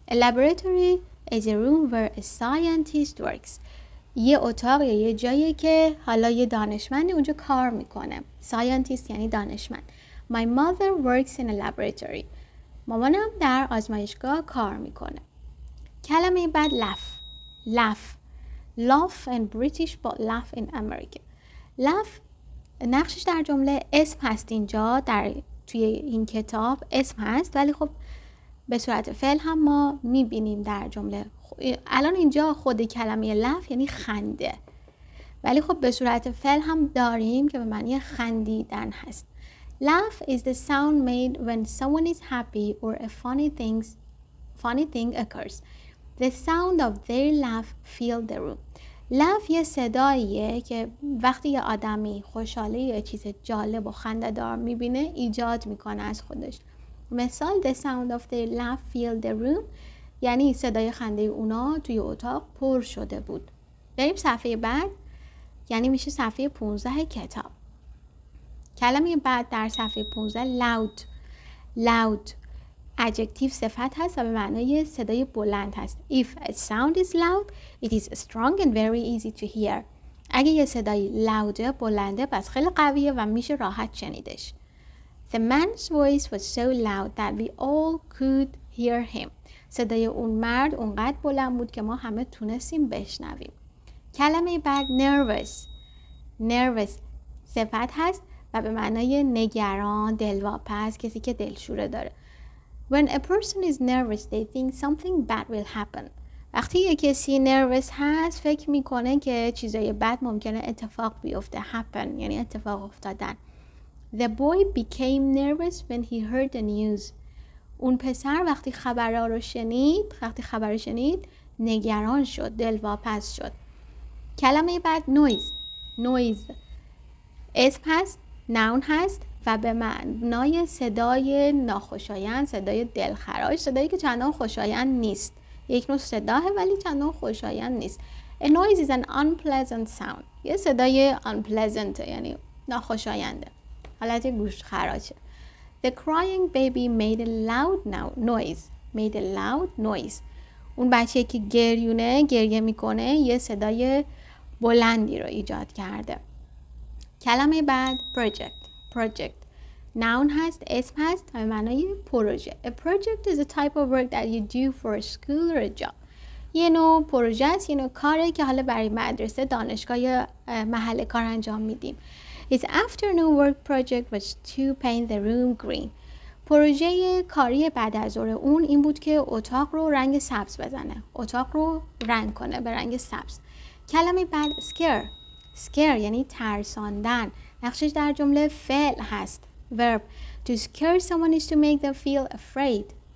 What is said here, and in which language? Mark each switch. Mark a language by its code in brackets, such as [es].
[en] A laboratory is a room where a scientist works. [fa] یه اتاق یا یه جایی که حالا یه دانشمند اونجا کار میکنه. Scientist یعنی دانشمند. [en] My mother works in a laboratory. [fa] مامانم در آزمایشگاه کار میکنه. کلمه بعد [en] laugh. Laugh. Laugh in British but laugh in America. [fa] Laugh نقشش در جمله اسم هست اینجا در توی این کتاب اسم هست، ولی خب به صورت فعل هم ما میبینیم در جمله. الان اینجا خود کلمه laugh یعنی خنده، ولی خب به صورت فعل هم داریم که به معنی خندیدن هست. [en] Laugh is the sound made when someone is happy or a funny thing occurs. The sound of their laugh fills the room. [fa] Laugh یه صداییه که وقتی یه آدمی خوشحاله یه چیز جالب و خنده دار میبینه ایجاد میکنه از خودش. مثال [en] the sound of their laugh filled the room [fa] یعنی صدای خنده اونا توی اتاق پر شده بود. بریم صفحه بعد، یعنی میشه صفحه 15 کتاب. کلمه بعد در صفحه 15 loud. loud adjective صفت هست و به معنای صدای بلند هست. [en] if a sound is loud it is strong and very easy to hear. [fa] اگه یه صدای loud بلنده پس خیلی قویه و میشه راحت شنیدش. [en] The man's voice was so loud that we all could hear him. [fa] صدای اون مرد اونقدر بلند بود که ما همه تونستیم بشنویم. کلمه بعد nervous. nervous صفت هست و به معنای نگران، دلواپس، کسی که دلشوره داره. [en] When a person is nervous, they think something bad will happen. [fa] وقتی یه کسی nervous هست، فکر میکنه که چیزای بد ممکنه اتفاق بیفته. happen یعنی اتفاق افتادن. [en] The boy became nervous when he heard the news. [fa] اون پسر وقتی خبرها رو شنید، نگران شد، دلواپس شد. کلمه بعد noise. noise اسم هست، noun هست و به معنای صدای ناخوشایند، صدای دلخراش، صدایی که چندان خوشایند نیست. یک نوع صداه ولی چندان خوشایند نیست. [en] A noise is an unpleasant sound. [fa] یه صدای unpleasant یعنی ناخوشاینده. حالت گوش خراشه. [en] The crying baby made a loud noise. Made a loud noise. [fa] اون بچه که گریونه، گریه میکنه، یه صدای بلندی رو ایجاد کرده. کلمه بعد project. Project. Noun هست، اسم هست، به معنای پروژه. [en] A project is a type of work that you do for a school or a job. [fa] یه نوع پروژه است، یه نوع کاره که حالا برای مدرسه، دانشگاه یا محل کار انجام میدیم. [en] His afternoon work project was to paint the room green. [fa] پروژه کاری بعد از ظهر اون این بود که اتاق رو رنگ سبز بزنه. اتاق رو رنگ کنه به رنگ سبز. کلمه بعد scare. Scare یعنی ترساندن. نقشش در جمله فعل هست. [en] Verb. To scare someone is to make them feel afraid.